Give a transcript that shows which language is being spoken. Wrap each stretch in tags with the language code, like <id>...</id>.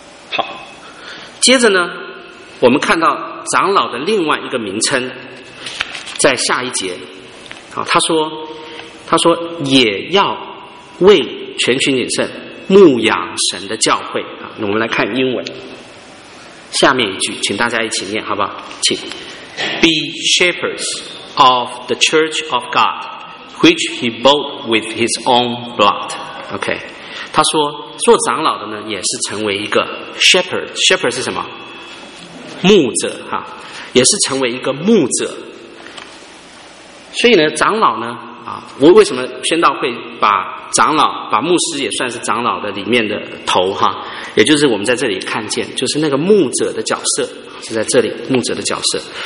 <zh>好，接着呢，我们看到长老的另外一个名称在下一节，他说也要为全群谨慎牧养神的教会啊。我们来看英文下面一句，请大家一起念好不好，请</zh> <en>Be shepherds of the church of God which he bought with his own blood。</en> <zh>OK， 他说做长老的呢也是成为一个 shepherd 是什么，牧者啊，也是成为一个牧者。所以呢，长老呢我为什么宣道会把长老把牧师也算是长老的里面的头哈，也就是我们在这里看见就是那个牧者的角色是在这里，牧者的角色。</zh>